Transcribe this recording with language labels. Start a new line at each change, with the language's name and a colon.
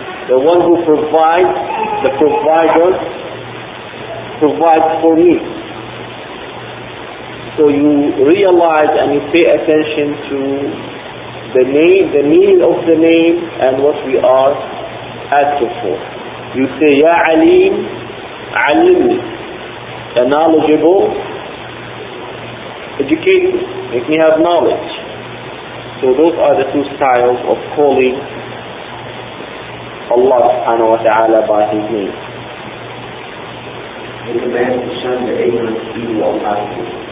English: The one who provides, the provider, provides for me. So you realize and you pay attention to the name, the meaning of the name, and what we are asking for. You say,
Arabic: يا عليم علمني.
English: A knowledgeable educator, make me have knowledge. So those are the two styles of calling Allah subhanahu wa ta'ala by His name. He commands the son to ignorance to do all God's will.